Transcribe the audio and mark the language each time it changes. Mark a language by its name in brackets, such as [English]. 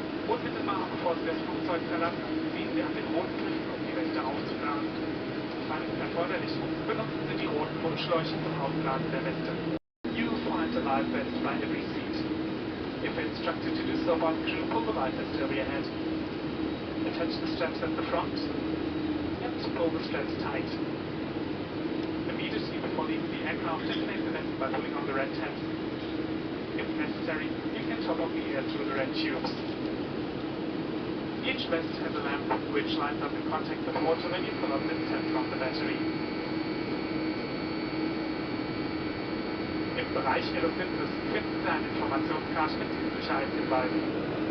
[German] Unmittelbar bevor Sie das Flugzeug verlassen, ziehen Sie an den roten Griffen, um die Weste aufzuladen. Falls es erforderlich ist, benutzen Sie die roten Mundschläuche zum Aufladen der Weste. [English] You find the life vest by every seat. If instructed to do so by the crew, pull the life vest over your head. Attach the straps at the front and pull the straps tight. Immediately before leaving the aircraft, inflate the vest by pulling on the red tab. If necessary, you can top up the air through the red tubes. Each vest has a lamp which lights up in contact with water when you pull up this tab from the battery. [German] Im Bereich Ihres Sitzes finden Sie eine Informationskarte mit diesen Sicherheitshinweisen.